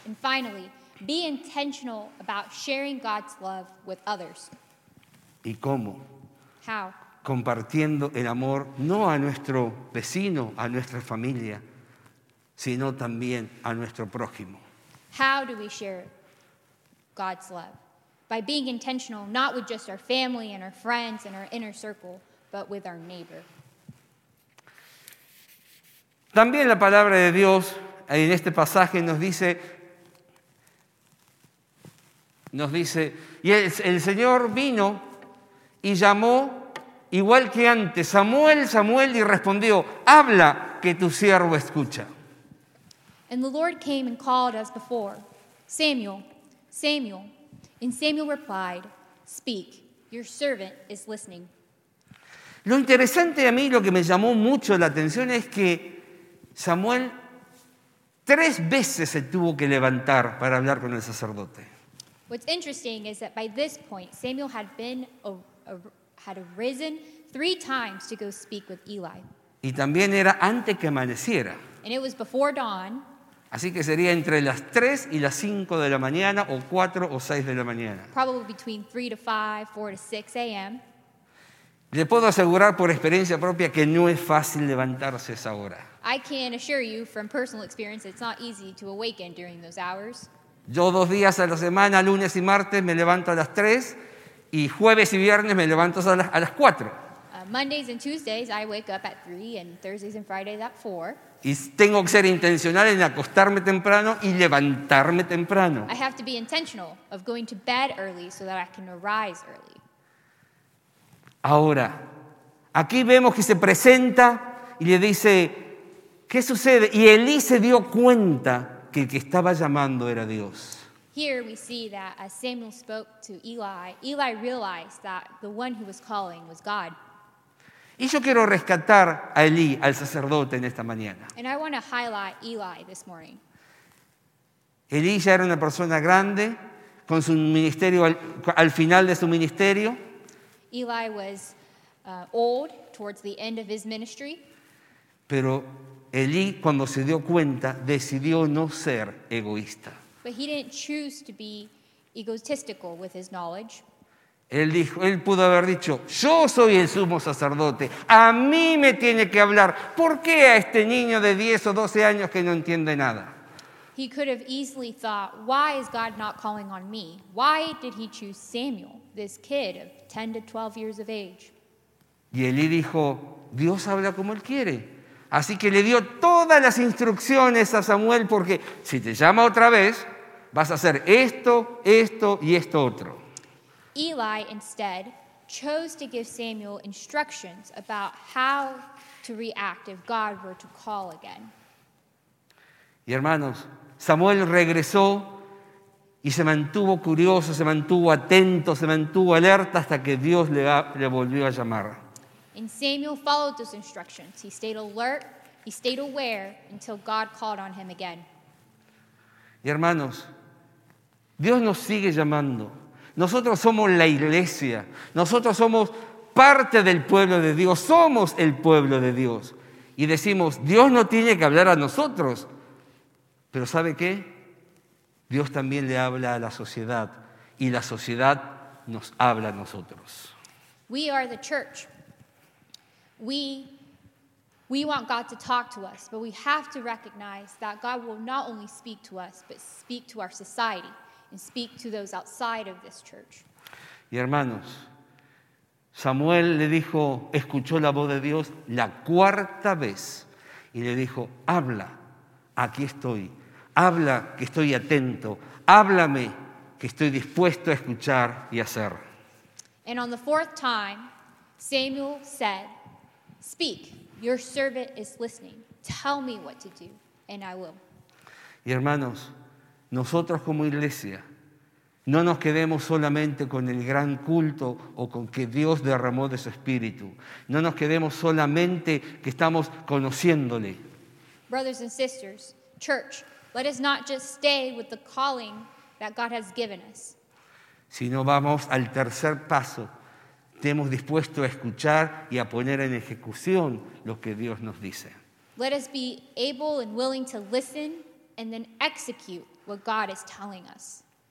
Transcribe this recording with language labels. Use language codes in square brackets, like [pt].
[en] And finally, be intentional about sharing God's love with others. [es] ¿Y cómo? [en] How? [es] Compartiendo el amor no a nuestro vecino, a nuestra familia, sino también a nuestro prójimo. [en] How do we share God's love? By being intentional, not with just our family and our friends and our inner circle, but with our neighbor. [es] También la palabra de Dios en este pasaje nos dice, y el Señor vino y llamó igual que antes, Samuel, Samuel, y respondió, habla que tu siervo escucha. [en] And the Lord came and called as before, Samuel, Samuel. And Samuel replied, speak, your servant is listening. [es] Lo interesante a mí, lo que me llamó mucho la atención es que Samuel tres veces se tuvo que levantar para hablar con el sacerdote. [en] What's interesting is that by this point, Samuel had arisen three times to go speak with Eli. [es] Y también era antes que amaneciera. [en] And it was before dawn. [es] Así que sería entre las 3 y las 5 de la mañana o 4 o 6 de la mañana. [en] Probably between 3 to 5, 4 to 6 a.m. [es] Le puedo asegurar por experiencia propia que no es fácil levantarse esa hora. [en] I can assure you from personal experience it's not easy to awaken during those hours. [es] Yo dos días a la semana, lunes y martes, me levanto a las 3 y jueves y viernes me levanto a las 4. [en] Mondays and Tuesdays I wake up at 3 and Thursdays and Fridays at 4. [es] Y tengo que ser intencional en acostarme temprano y levantarme temprano. [en] I have to be intentional of going to bed early so that I can arise early. [es] Ahora, aquí vemos que se presenta y le dice, ¿qué sucede? Y Elí se dio cuenta que el que estaba llamando era Dios. [en] Here we see that as Samuel spoke to Eli, Eli realized that the one who was calling was God. [es] Y yo quiero rescatar a Elí, al sacerdote, en esta mañana. [en] And I want to highlight Eli this morning. [es] Elí ya era una persona grande, con su ministerio al final de su ministerio. [en] Eli was old towards the end of his ministry. [es] Pero Elí, cuando se dio cuenta, decidió no ser egoísta. [en] But he didn't choose to be egotistical with his knowledge. [es] Él pudo haber dicho, yo soy el sumo sacerdote, a mí me tiene que hablar. ¿Por qué a este niño de 10 o 12 años que no entiende nada? [en] He could have easily thought, why is God not calling on me? Why did he choose Samuel, this kid of 10 to 12 years of age? [es] Y Elí dijo, Dios habla como Él quiere. Así que le dio todas las instrucciones a Samuel, porque si te llama otra vez, vas a hacer esto, esto y esto otro. [en] Eli instead chose to give Samuel instructions about how to react if God were to call again. [es] Y hermanos, Samuel regresó y se mantuvo curioso, se mantuvo atento, se mantuvo alerta hasta que Dios le volvió a llamar. [en] And Samuel followed those instructions. He stayed alert, he stayed aware until God called on him again. [es] Y hermanos, Dios nos sigue llamando. Nosotros somos la iglesia. Nosotros somos parte del pueblo de Dios. Somos el pueblo de Dios. Y decimos, Dios no tiene que hablar a nosotros. Pero ¿sabe qué? Dios también le habla a la sociedad. Y la sociedad nos habla a nosotros. [en] We are the church. We want God to talk to us, but we have to recognize that God will not only speak to us, but speak to our society. And speak to those outside of this church. [es] Y hermanos, Samuel le dijo, escuchó la voz de Dios la cuarta vez y le dijo, habla, aquí estoy, habla que estoy atento, háblame que estoy dispuesto a escuchar y hacer. [en] And on the fourth time, Samuel said, "Speak, your servant is listening. Tell me what to do, and I will." [es] Y hermanos, nosotros como iglesia, no nos quedemos solamente con el gran culto o con que Dios derramó de su espíritu. No nos quedemos solamente que estamos conociéndole. [en] Brothers and sisters, church, let us not just stay with the calling that God has given us. [es] Sino vamos al tercer paso. Estemos dispuestos a escuchar y a poner en ejecución lo que Dios nos dice. [en] Let us be able and willing to listen and then execute what God is telling us.